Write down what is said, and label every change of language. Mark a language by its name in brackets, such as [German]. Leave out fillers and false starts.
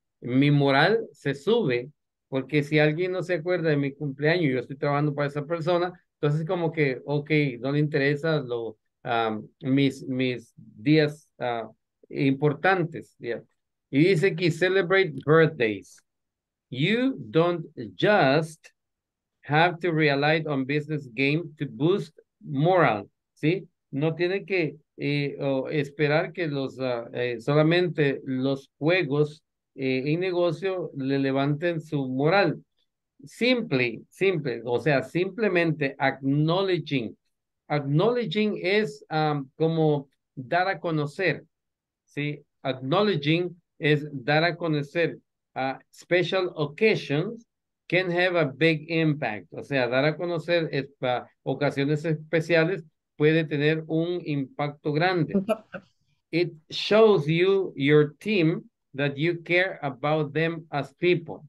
[Spanish] Mi moral se sube, porque si alguien no se acuerda de mi cumpleaños y yo estoy trabajando para esa persona, entonces como que, ok, no le interesa lo, mis días importantes, ¿ya? Y dice aquí, [English] celebrate birthdays. You don't just have to rely on business game to boost morale, [Spanish] ¿sí? No tiene que esperar que los solamente los juegos en negocio le levanten su moral. Simple, o sea, simplemente acknowledging. Acknowledging es como dar a conocer, ¿sí? [English] Acknowledging [Spanish] es dar a conocer. [English] Special occasions can have a big impact. [Spanish] O sea, dar a conocer es para ocasiones especiales, puede tener un impacto grande. [English] It shows you, your team, that you care about them as people.